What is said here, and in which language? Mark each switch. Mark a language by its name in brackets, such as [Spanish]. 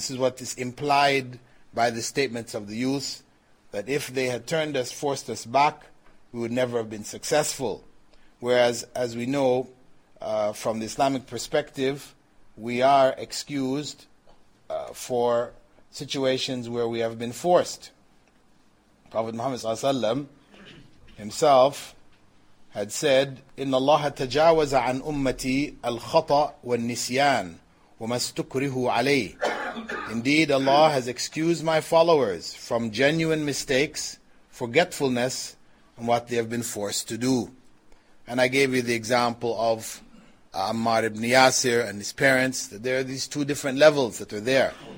[English] This is what is implied by the statements of the youth, that if they had turned us, forced us back, we would never have been successful. Whereas, as we know, from the Islamic perspective, we are excused for situations where we have been forced. [Arabic] Prophet Muhammad sallallahu alaihi wasallam himself had said, إِنَّ اللَّهَ تَجَاوَزَ عَنْ أُمَّتِي الْخَطَأَ وَالنِّسْيَانَ وَمَا اسْتُكْرِهُ عَلَيْهِ [English] Indeed, Allah has excused my followers from genuine mistakes, forgetfulness, and what they have been forced to do. And I gave you the example of Ammar ibn Yasir and his parents, that there are these two different levels that are there.